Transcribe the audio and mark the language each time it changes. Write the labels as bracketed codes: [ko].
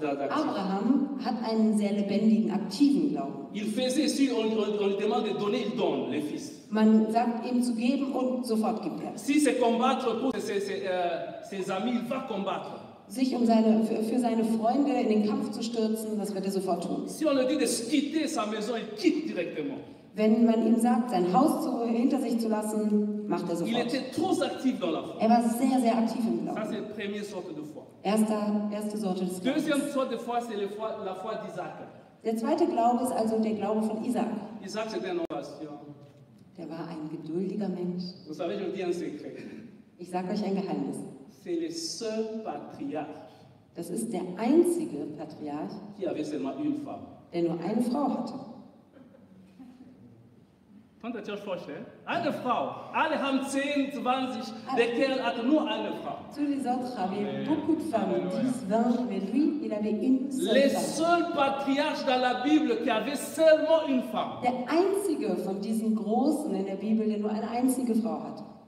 [de] Abraham hat einen sehr lebendigen, aktiven Glauben. [fr] Il faisait, si on lui demande de donner, il donne le fils. [de] Man sagt ihm zu geben und sofort gibt er. [fr] Si c'est combattre pour ses amis, il va combattre. [de] Sich um für seine Freunde in den Kampf zu stürzen, das wird er sofort tun. [fr] Si on lui dit de quitter sa maison, il quitte directement. [de] Wenn man ihm sagt, sein Haus hinter sich zu lassen, macht er sofort. [fr] Il était trop actif dans la foi. [de] Er war sehr, sehr aktiv im Glauben. [fr] Ça, c'est la première sorte de foi. [de] Erste Sorte des Glaubens. [fr] Deuxième sorte de foi, c'est la foi d'Isaac. [de] Der zweite Glaube ist also der Glaube von Isaac. [fr] Isaac, c'était un ancien. [de] Der war ein geduldiger Mensch. [fr] Vous savez, je vous dis un secret. [de] Ich sage euch ein Geheimnis. [fr] C'est le seul patriarch. [de] Das ist der einzige Patriarch, [fr] qui avait seulement une femme. [de] Der nur eine Frau hatte. Könnt ihr euch vorstellen? Eine Frau. Alle haben 10, 20. Der Kerl hat nur eine Frau. [fr] Tous les autres avaient beaucoup de femmes. 10, 20, mais lui, il avait une seule femme. Le seul patriarche dans la Bible qui avait seulement une femme. [de] Der einzige von diesen Großen in der Bibel, der nur eine einzige Frau hat.